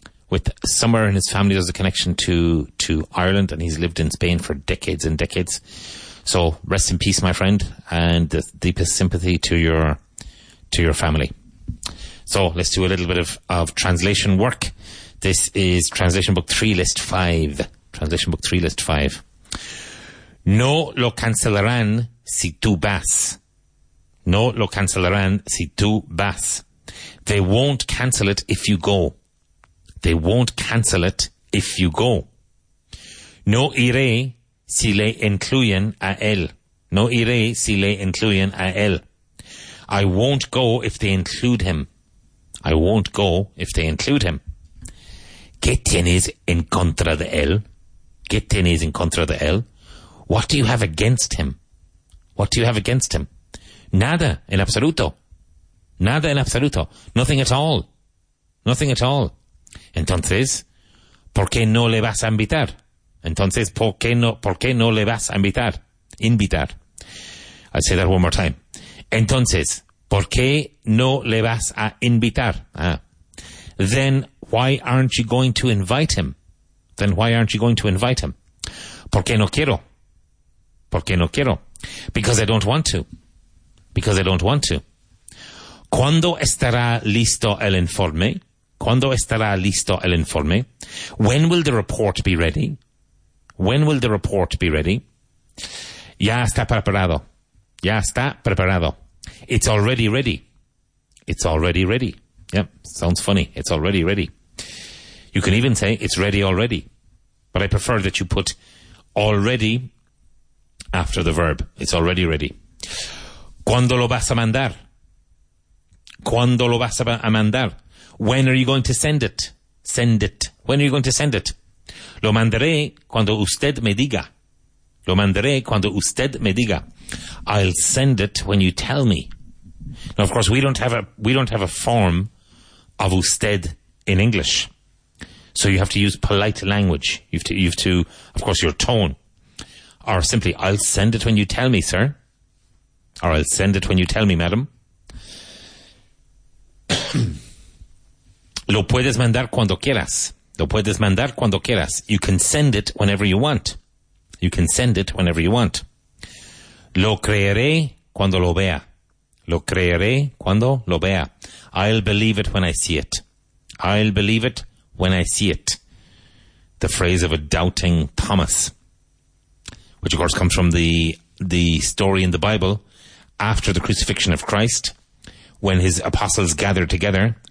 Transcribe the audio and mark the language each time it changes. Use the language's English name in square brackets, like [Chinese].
[English] With somewhere in his family, there's a connection to Ireland, and he's lived in Spain for decades and decades. So rest in peace, my friend, and the deepest sympathy to your family. So let's do a little bit of translation work. This is Translation Book 3, List 5. Translation Book 3, List 5. [Spanish] No lo cancelarán si tú vas. No lo cancelarán si tú vas. [English] They won't cancel it if you go. They won't cancel it if you go. [Spanish] No iré si le incluyen a él. No iré si le incluyen a él. [English] I won't go if they include him. I won't go if they include him. [Spanish] ¿Qué tienes en contra de él? ¿Qué tienes en contra de él? [English] What do you have against him? What do you have against him? [Spanish] Nada en absoluto. Nada en absoluto. [English] Nothing at all. Nothing at all. [Spanish] Entonces, ¿por qué no le vas a invitar? Entonces, ¿por qué no le vas a invitar? Invitar. [English] I'll say that one more time. [Spanish] Entonces, ¿por qué no le vas a invitar? Ah. [English] Then, why aren't you going to invite him? Then, why aren't you going to invite him? [Spanish] ¿Por qué no quiero? ¿Por qué no quiero? [English] Because I don't want to. Because I don't want to. [Spanish] ¿Cuándo estará listo el informe? ¿Cuándo estará listo el informe? [English] When will the report be ready? When will the report be ready? [Spanish] Ya está preparado. Ya está preparado. [English] It's already ready. It's already ready. Yep, sounds funny. It's already ready. You can even say it's ready already. But I prefer that you put already after the verb. It's already ready. [Spanish] ¿Cuándo lo vas a mandar? ¿Cuándo lo vas a mandar? [English] When are you going to send it? Send it. When are you going to send it? [Spanish] Lo mandaré cuando usted me diga. Lo mandaré cuando usted me diga. [English] I'll send it when you tell me. Now, of course, we don't have a form of usted in English. So you have to use polite language. You have to, of course, your tone. Or simply, I'll send it when you tell me, sir. Or I'll send it when you tell me, madam. [Spanish] Lo puedes mandar cuando quieras. Lo puedes mandar cuando quieras. [English] You can send it whenever you want. You can send it whenever you want. [Spanish] Lo creeré cuando lo vea. Lo creeré cuando lo vea. [English] I'll believe it when I see it. I'll believe it when I see it. The phrase of a doubting Thomas. Which, of course, comes from the story in the Bible after the crucifixion of Christ, when his apostles gathered together.